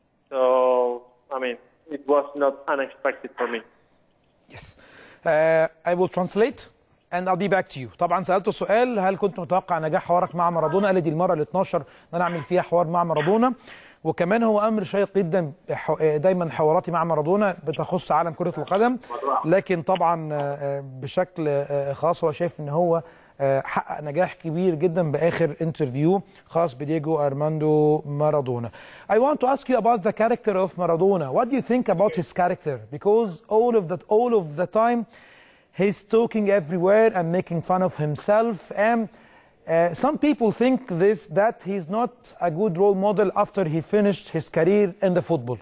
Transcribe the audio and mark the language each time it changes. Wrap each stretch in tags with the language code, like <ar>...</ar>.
<en>So, I mean, it was not unexpected for me. Yes. I will translate. And I'll be back to you.</en> <ar>طبعا سألت سؤال، هل كنت متوقع نجاح حوارك مع مارادونا؟ قال لي دي المرة الـ12 ان انا اعمل فيها حوار مع مارادونا، وكمان هو امر شيق جدا دايما حواراتي مع مارادونا بتخص عالم كرة القدم، لكن طبعا بشكل خاص هو شايف ان هو حقق نجاح كبير جدا باخر انترفيو خاص بديجو ارماندو مارادونا.</ar> <en>I want to ask you about the character of Maradona. What do you think about his character? Because all of the time he's talking everywhere and making fun of himself. And some people think this, that he's not a good role model after he finished his career in the football.</en>